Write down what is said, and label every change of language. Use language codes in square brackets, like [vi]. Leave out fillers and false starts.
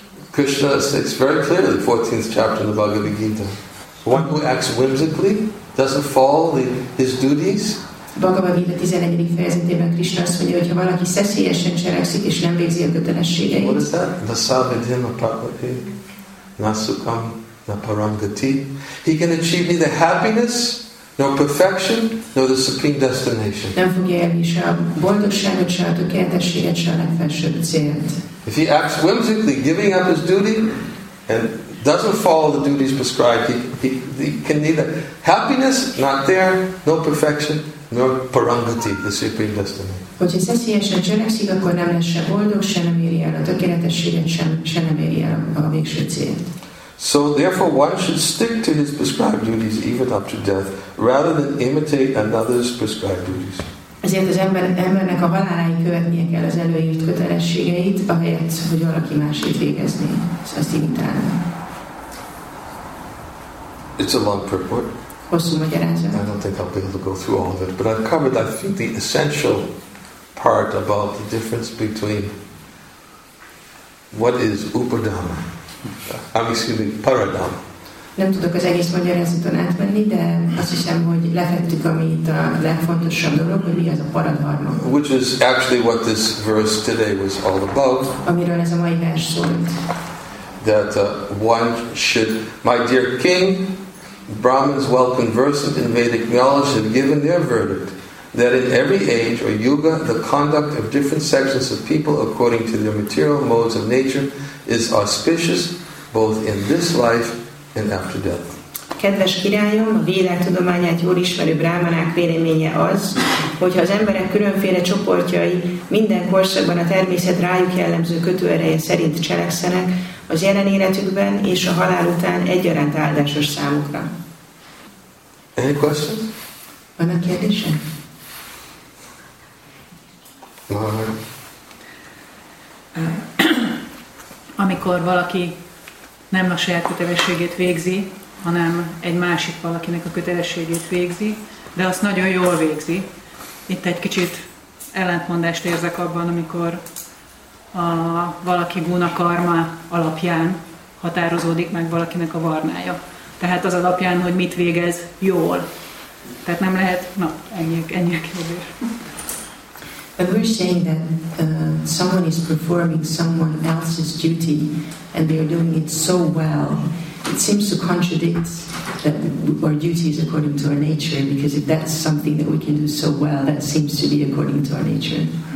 [en] Krishna states very clearly, the 14th chapter of the Bhagavad Gita, one who acts whimsically, doesn't follow his duties, [hu] Bhagavad Gita 11. fejezetében Krishna azt mondja, hogy ha valaki szeszélyesen cselekszik és nem végzi a kötelességeit. [en] What is that? [sa] Vasavidhim apapati nasukam naparangati. [en] He can achieve neither happiness, nor perfection, nor the supreme destination. [hu] Nem fogja elérni se a boldogságot, se a tökéletességet, se a legfelsőbb célt. [en] If he acts whimsically, giving up his duty, and doesn't follow the duties prescribed, he can neither happiness, not there, no perfection, nor parangati, the supreme destiny. [hu] Hogyha szeszélyesen cselekszik, akkor nem lesz se boldog, se nem éri el a tökéletességet, se nem éri el a végső célt. [en] So therefore one should stick to his prescribed duties even up to death, rather than imitate another's prescribed duties. [hu] Ezért az embernek a haláláig követnie kell az előírt kötelességeit, ahelyett, hogy valaki másét végezni, azt imitálni. [en] It's a long purport. [hu] hosszú magyarázat. [en] I don't think I'll be able to go through all of it, but I've covered, I think, the essential part about the difference between what is upadana. Excuse me, paradama. [hu] Nem tudok az egész magyarázaton átmenni, de azt hiszem, hogy lefettük, ami itt a legfontosabb dolog, hogy mi az a paradharma. [en] Which is actually what this verse today was all about. [hu] Amiről ez a mai vers szólt. [en] That one should, my dear king, Brahmins well conversant in Vedic knowledge have given their verdict that in every age or yuga the conduct of different sections of people according to their material modes of nature is auspicious both in this life and after death. [hu] Kedves királyom, a világtudományát jól ismerő brámanák véleménye az, hogyha az emberek különféle csoportjai minden korszakban a természet rájuk jellemző kötőereje szerint cselekszenek, az jelen életükben és a halál után egyaránt áldásos számukra. [en] Any questions? [hu] Van a kérdése? Amikor valaki nem a saját kötelességét végzi, hanem egy másik valakinek a kötelességét végzi, de azt nagyon jól végzi. Itt egy kicsit ellentmondást érzek abban, amikor a valaki guna karma alapján határozódik meg valakinek a varnája. Tehát az alapján, hogy mit végez jól. Tehát nem lehet, na, ennyi a kérdés. [en] We're saying that someone is performing someone else's duty and they are doing it so well. It seems to contradict that our duty is according to our nature, because if that's something that we can do so well, that seems to be according to our nature.